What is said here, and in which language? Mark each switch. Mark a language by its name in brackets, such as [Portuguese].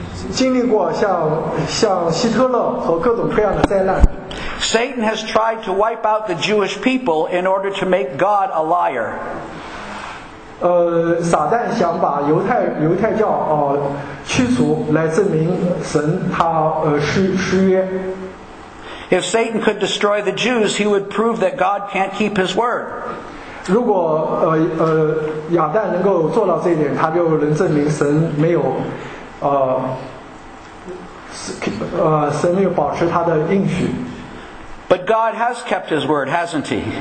[Chinese] 经历过像希特勒和各种各样的灾难。 [English] Satan has tried to wipe out the Jewish people in order to make God a liar. [Chinese] 撒旦想把犹太教驱逐，来证明神他失约。 [English] If Satan could destroy the Jews, he would prove that God can't keep his word. [Chinese] 如果亚旦能够做到这一点，他就能证明神没有神没有保持他的应许。 [English] But God has kept his word, hasn't he?